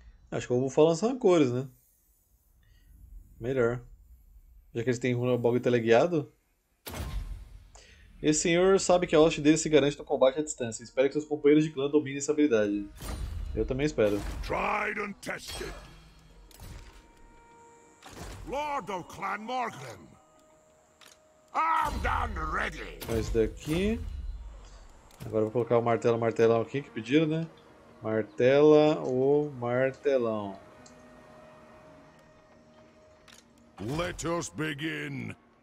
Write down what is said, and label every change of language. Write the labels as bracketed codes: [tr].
[pt] Acho que eu vou falar lança-ancores, né? Melhor. Já que eles têm um bug teleguiado. Esse senhor sabe que a host dele se garante no combate à distância. Espero que seus companheiros de clã dominem essa habilidade. Eu também espero. [en] Tried and tested. Lord of Clan Morgrim, armed and ready. [pt] Esse daqui. Agora vou colocar o martelo, martelão aqui que pediram, né? Martela ou martelão. [en] Let us begin.